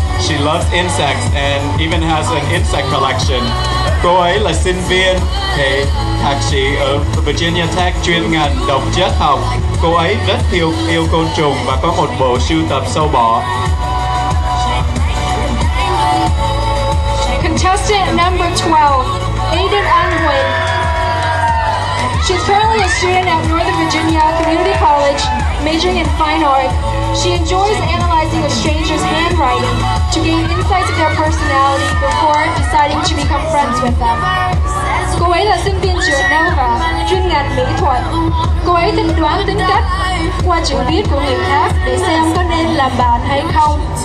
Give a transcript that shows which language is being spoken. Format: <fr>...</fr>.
<en>She loves insects and even has an insect collection.</en> <vi>Cô ấy là sinh viên hệ thạc sĩ ở Virginia Tech chuyên ngành độc chất học. Cô ấy rất yêu côn trùng và có một bộ sưu tập sâu bọ.</vi> <en>Contestant number 12, Aiden Unwin. She's currently a student at Northern Virginia Community College, majoring in fine art. She enjoys analyzing a stranger's handwriting to gain insights of their personality before deciding to become friends with them.</en> <vi>Cô ấy là sinh viên trường Nova, chuyên ngành mỹ thuật. Cô ấy tính đoán tính cách qua chữ viết của người khác để xem có nên làm bạn hay không.</vi>